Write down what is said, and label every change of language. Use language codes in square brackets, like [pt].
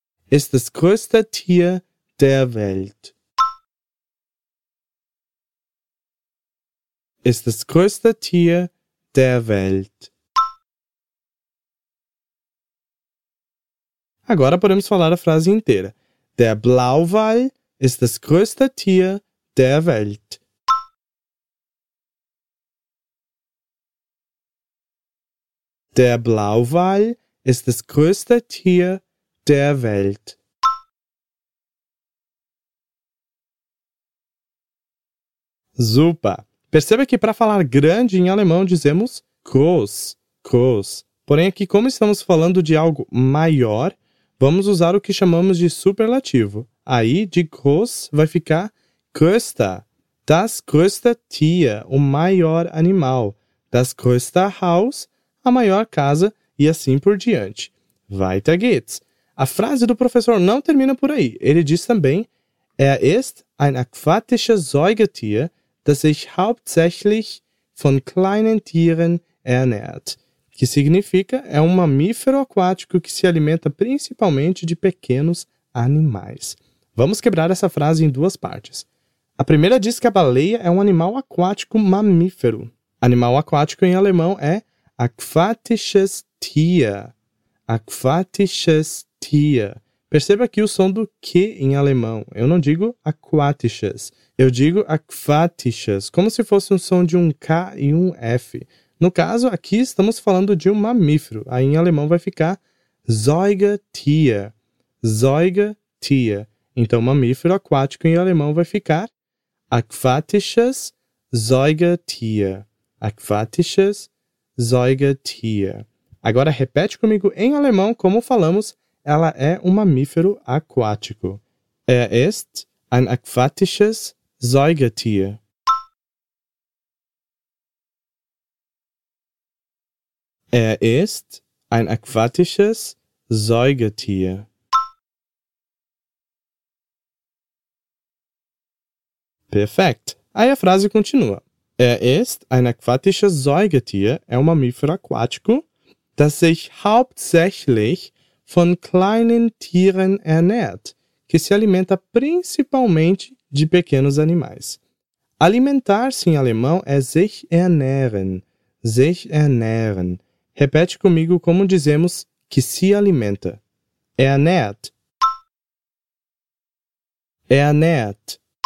[de] Ist das größte Tier der Welt. Ist das größte Tier der Welt. [pt] Agora podemos falar a frase inteira. [de] Der Blauwal ist das größte Tier der Welt. Der Blauwal ist das größte Tier der Welt. [pt] Super! Perceba que para falar grande em alemão dizemos groß, groß. Porém aqui como estamos falando de algo maior, vamos usar o que chamamos de superlativo. Aí, de groß, vai ficar [de] größter, das größte Tier, [pt] o maior animal, [de] das größte Haus, [pt] a maior casa, e assim por diante. [de] Weiter geht's. [pt] A frase do professor não termina por aí. Ele diz também, [de] Er ist ein aquatisches Säugetier, das sich hauptsächlich von kleinen Tieren ernährt. [pt] Que significa, é um mamífero aquático que se alimenta principalmente de pequenos animais. Vamos quebrar essa frase em duas partes. A primeira diz que a baleia é um animal aquático mamífero. Animal aquático em alemão é [de] aquatisches Tier. Aquatisches Tier. [pt] Perceba aqui o som do Q em alemão. Eu não digo aquatisches. Eu digo aquatisches, como se fosse um som de um K e um F. No caso, aqui estamos falando de um mamífero. Aí em alemão vai ficar Säugetier. Säugetier. Então, mamífero aquático em alemão vai ficar [de] Aquatisches Säugetier. Aquatisches Säugetier. [pt] Agora, repete comigo em alemão como falamos ela é um mamífero aquático. [de] Er ist ein aquatisches Säugetier. Er ist ein aquatisches Säugetier. Perfekt. [pt] Aí a frase continua. [de] Er ist ein aquatisches Säugetier, [pt] é um mamífero aquático, [de] das sich hauptsächlich von kleinen Tieren ernährt, [pt] que se alimenta principalmente de pequenos animais. Alimentar-se em alemão é [de] sich ernähren. Sich ernähren. [pt] Repete comigo como dizemos que se alimenta. [de] Ernährt. Ernährt.